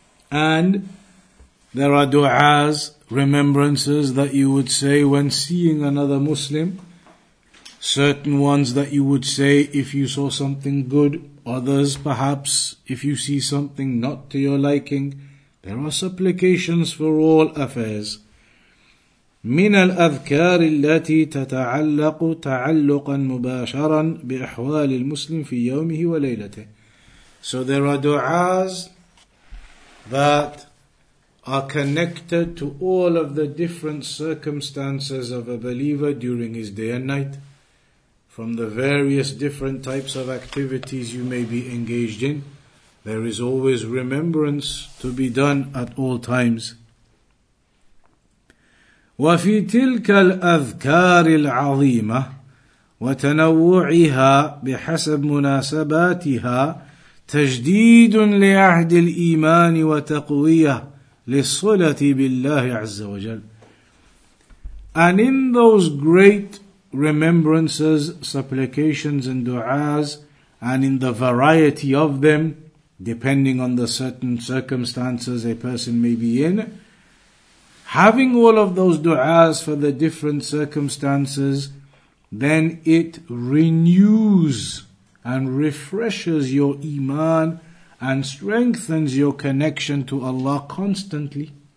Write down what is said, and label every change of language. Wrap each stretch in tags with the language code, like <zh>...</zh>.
<en>And there are du'as, remembrances that you would say when seeing another Muslim. Certain ones that you would say if you saw something good. Others perhaps if you see something not to your liking. There are supplications for all affairs.</en> <ar>من الأذكار التي تتعلق تعلقا مباشرا بأحوال المسلم في يومه وليلته.</ar> <en>So there are du'as that are connected to all of the different circumstances of a believer during his day and night, from the various different types of activities you may be engaged in. There is always remembrance to be done at all times.</en> <ar>وفي تلك الأذكار العظيمة وتنوعها بحسب مناسباتها تجديد لعهد الإيمان وتقوية لِصُلَةِ بِاللَّهِ عَزَّ وَجَلْ.</ar> <en>And in those great remembrances, supplications and du'as, and in the variety of them, depending on the certain circumstances a person may be in, having all of those du'as for the different circumstances, then it renews and refreshes your iman and strengthens your connection to Allah constantly.</en>